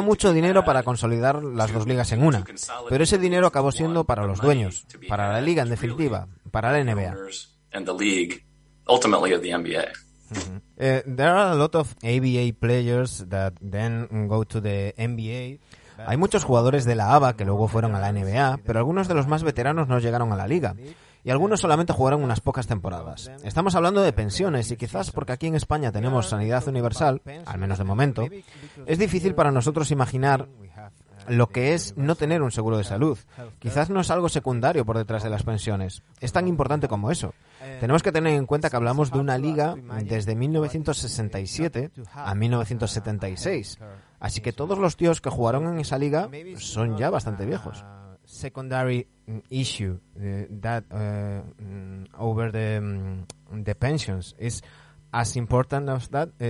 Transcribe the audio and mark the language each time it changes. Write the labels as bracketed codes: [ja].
[es] mucho dinero para consolidar las dos ligas en una, pero ese dinero acabó siendo para los dueños, para la liga en definitiva, para la NBA. [en] There are a lot of ABA players that then go to the NBA. [es] Hay muchos jugadores de la ABA que luego fueron a la NBA, pero algunos de los más veteranos no llegaron a la liga. Y algunos solamente jugaron unas pocas temporadas. Estamos hablando de pensiones y quizás porque aquí en España tenemos sanidad universal, al menos de momento, es difícil para nosotros imaginar lo que es no tener un seguro de salud. Quizás no es algo secundario por detrás de las pensiones. Es tan importante como eso. Tenemos que tener en cuenta que hablamos de una liga desde 1967 a 1976. Así que todos los tíos que jugaron en esa liga son ya bastante viejos. [en] Secondary issue that over the pensions is as important as that.